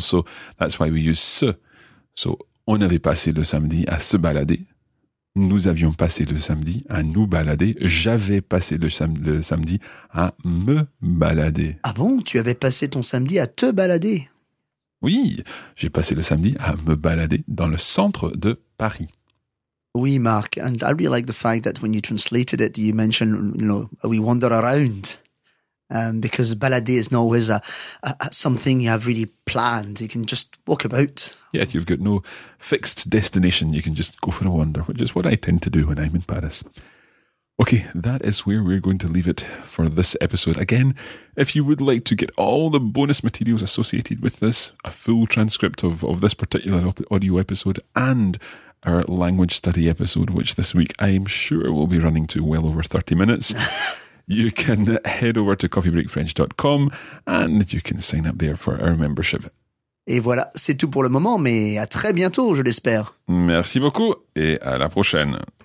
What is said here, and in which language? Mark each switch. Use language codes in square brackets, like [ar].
[en] So that's why we use se. [fr] So on avait passé le samedi à se balader. Nous avions passé le samedi à nous balader. J'avais passé le samedi à me balader. Ah bon? Tu avais passé ton samedi à te balader? Oui, j'ai passé le samedi à me balader dans le centre de Paris. [en] Oui, Marc, and I really like the fact that when you translated it, you mentioned, you know, we wander around. Because balader is not always something you have really planned. You can just walk about. Yeah, you've got no fixed destination. You can just go for a wander, which is what I tend to do when I'm in Paris. Okay, that is where we're going to leave it for this episode. Again, if you would like to get all the bonus materials associated with this, a full transcript of this particular audio episode and our language study episode, which this week I'm sure will be running to well over 30 minutes, you can head over to coffeebreakfrench.com and you can sign up there for our membership. [fr] Et voilà, c'est tout pour le moment, mais à très bientôt, je l'espère. Merci beaucoup et à la prochaine.